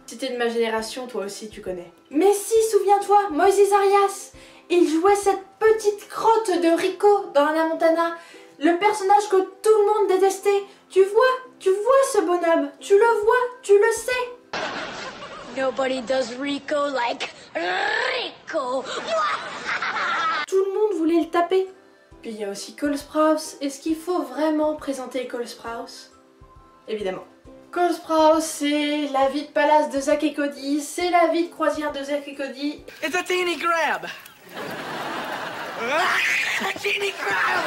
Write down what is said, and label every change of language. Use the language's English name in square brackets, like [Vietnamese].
[French] Si t'es de ma génération, toi aussi tu connais. Mais si, souviens-toi, Moises Arias, il jouait cette petite crotte de Rico dans Anna Montana, le personnage que tout le monde détestait. Tu vois ce bonhomme, tu le vois, tu le sais. [English] Nobody does Rico like Rico. [French] Tout le monde voulait le taper. Puis il y a aussi Cole Sprouse. Est-ce qu'il faut vraiment présenter Cole Sprouse? Évidemment. Cole Sprouse, c'est la vie de palace de Zack et Cody, c'est la vie de croisière de Zack et Cody. [English] It's a teeny crab. A teeny crab.